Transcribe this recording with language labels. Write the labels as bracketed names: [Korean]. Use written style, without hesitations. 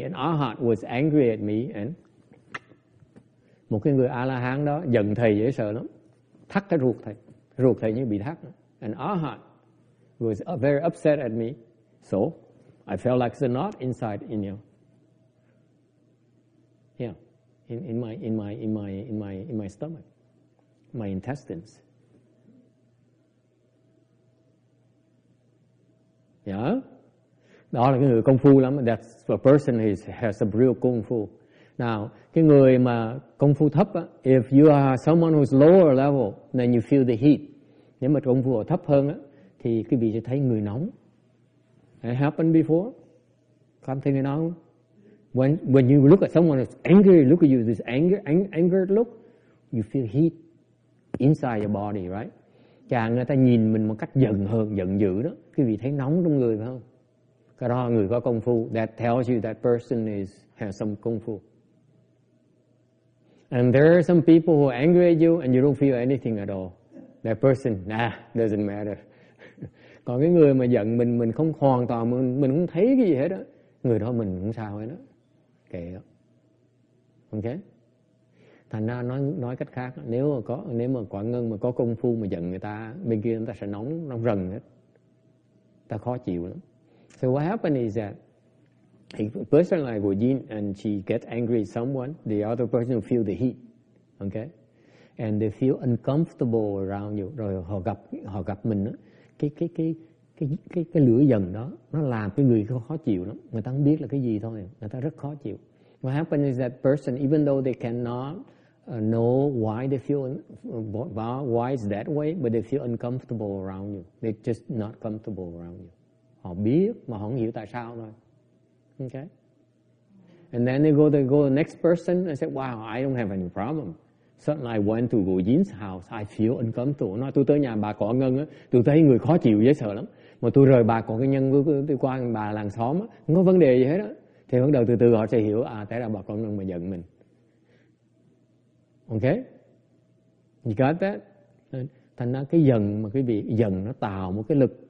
[English] An arhat was angry at me. [Vietnamese] And một cái người A-la-hán đó giận thầy dễ sợ lắm. Thắt cái ruột thầy. Ruột thầy như bị thắt nữa. [English] An arhat was very upset at me, so I felt like it's a knot inside in you. Yeah, in my stomach, my intestines. [Vietnamese] Yeah, đó là cái người công phu lắm. [English] That's a person who has a real kung fu. Now, [Vietnamese] cái người mà công phu thấp, [English] if you are someone who's lower level, then you feel the heat. [Vietnamese] Nếu mà công phu ở thấp hơn á, thì quý vị sẽ thấy người nóng. [English] It happened before. [Vietnamese] Cảm thấy người nóng. [English] When you look at someone who's angry, look at you, this angered look, you feel heat inside your body, right? [Vietnamese] Chàng người ta nhìn mình một cách giận hờn, giận dữ đó. Quý vị thấy nóng trong người phải không? Cái đó người có công phu. [English] That tells you that person has some kung fu. And there are some people who are angry at you and you don't feel anything at all. That person, doesn't matter. [Vietnamese] Còn cái người mà giận mình không hoàn toàn, mình không thấy cái gì hết đó. Người đó mình không sao hết đó. Kệ đó. Ok? Thành ra nói cách khác, nếu mà quả ngân mà có công phu mà giận người ta, bên kia người ta sẽ nóng rần hết. Ta khó chịu lắm. [English] So what happened is that a person like Wujin and she gets angry at someone, the other person will feel the heat. Ok? And they feel uncomfortable around you. [Vietnamese] Rồi họ gặp mình đó, cái lửa giận đó nó làm cái người khó chịu lắm. Người ta không biết là cái gì thôi, người ta rất khó chịu. [English] What happens is that person, even though they cannot know why they feel why it's that way, but they feel uncomfortable around you. They're just not comfortable around you. [Vietnamese] Họ biết mà họ không hiểu tại sao thôi. [English] Okay. And then they go to the next person and say, wow, I don't have any problem. Suddenly I went to Bù Dín's house, I feel uncomfortable. [Vietnamese] Nói tôi tới nhà bà Cỏ Ngân, tôi thấy người khó chịu dễ sợ lắm. Mà tôi rời bà Cỏ Ngân, tôi qua bà làng xóm, không có vấn đề gì hết. Thì bắt đầu từ từ họ sẽ hiểu, à, tại là bà Cỏ Ngân mà giận mình. Ok? [English] You got that? [Vietnamese] Thành ra cái giận mà quý vị, giận nó tạo một cái lực.